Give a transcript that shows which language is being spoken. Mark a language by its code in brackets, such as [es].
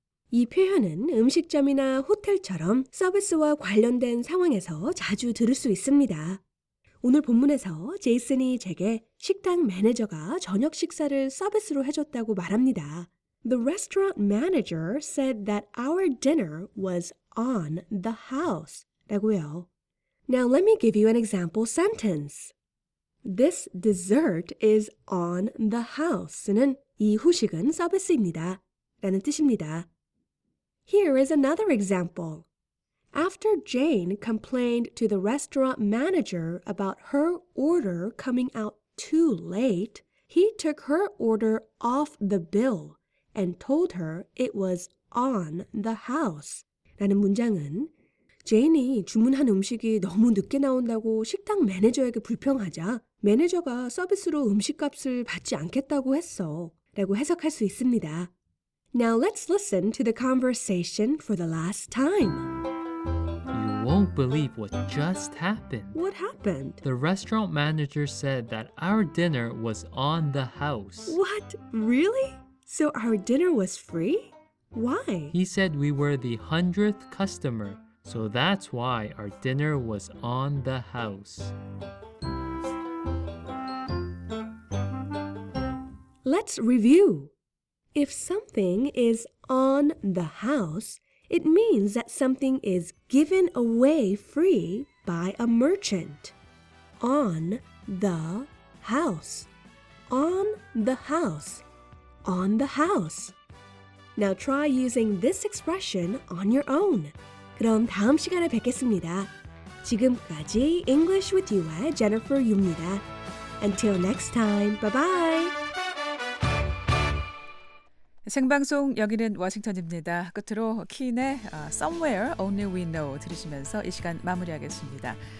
[ko] 이 표현은 음식점이나 호텔처럼 서비스와 관련된 상황에서 자주 들을 수 있습니다. 오늘 본문에서 제이슨이 제게 식당 매니저가 저녁 식사를 서비스로 해줬다고 말합니다. [en] The restaurant manager said that our dinner was on the house. [ko] 라고요. [en] Now let me give you an example sentence. This dessert is on the house는 [ko] 이 후식은 서비스입니다. 라는 뜻입니다. [en] Here is another example. After Jane complained to the restaurant manager about her order coming out too late, he took her order off the bill and told her it was on the house. [ko] 라는 문장은 제인이 주문한 음식이 너무 늦게 나온다고 식당 매니저에게 불평하자 매니저가 서비스로 음식값을 받지 않겠다고 했어 라고 해석할 수 있습니다. [en] Now let's listen to the conversation for the last time. You won't believe what just happened. What happened? The restaurant manager said that our dinner was on the house. What? Really? So our dinner was free? Why? He said we were the 100th customer, so that's why our dinner was on the house. Let's review. If something is on the house, it means that something is given away free by a merchant. On the house. On the house. On the house. Now try using this expression on your own. [ko] 그럼 다음 시간에 뵙겠습니다. 지금까지 English with You의 Jennifer Yu입니다. [en] Until next time, bye-bye! [ko] 생방송 여기는 워싱턴입니다. 끝으로 킨의 Somewhere Only We Know 들으시면서 이 시간 마무리하겠습니다.